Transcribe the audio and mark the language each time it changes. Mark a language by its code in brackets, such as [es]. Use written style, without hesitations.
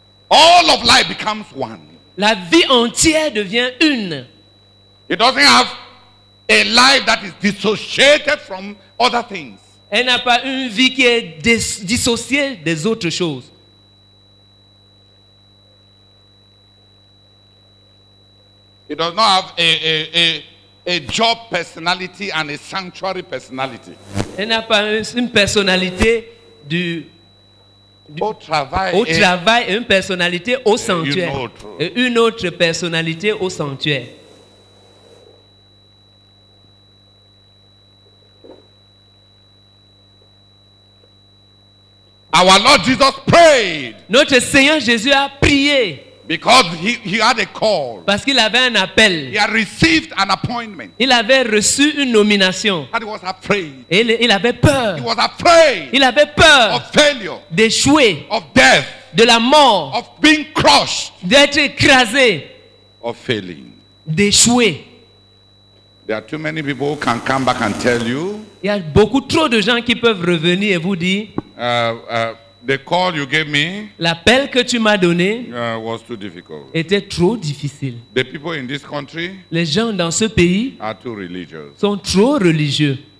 [en] All of life becomes one. [fr] La vie entière devient une. [en] It doesn't have a life that is dissociated from other things. [fr] Elle n'a pas une vie qui est dissociée des autres choses. [en] It does not have a job personality and a sanctuary personality. [fr] Elle n'a pas une personnalité du au travail et une personnalité au sanctuaire. Et une autre personnalité au sanctuaire. [en] Our Lord Jesus prayed. [fr] Notre Seigneur Jésus a prié. [en] Because he had a call. [fr] Parce qu'il avait un appel. [en] He had received an appointment. [fr] Il avait reçu une nomination. [en] And he was afraid. [fr] Et il avait peur. [en] He was afraid. [fr] Il avait peur. [en] Of failure. [fr] D'échouer. [en] Of death. [fr] De la mort. [en] Of being crushed. [fr] D'être écrasé. [en] Of failing. [fr] D'échouer. [en] There are too many people who can come back and tell you. [fr] Il y a beaucoup trop de gens qui peuvent revenir et vous dire. [en] The call you gave me, [fr] l'appel que tu m'as donné, [en] was too difficult. [fr] Était trop difficile. [en] The people in this country, [fr] les gens dans ce pays, [en] are too religious. [fr] Sont trop religieux.